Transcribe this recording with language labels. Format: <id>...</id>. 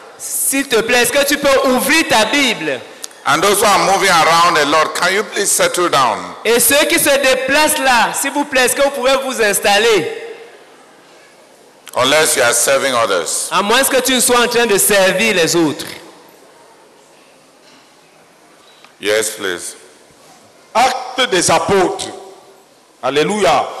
<fr>S'il te plaît, est-ce que tu peux ouvrir ta Bible?</fr> <en>And those who are moving around a lot, can you please settle down?</en> <fr>Et ceux qui se déplacent là, s'il vous plaît, est-ce que vous pouvez vous installer?</fr> <en>Unless you are serving others.</en> <fr>À moins que tu ne sois en train de servir les autres.</fr> <en>Yes, please.</en> <fr>Acte des apôtres. Alléluia.</fr>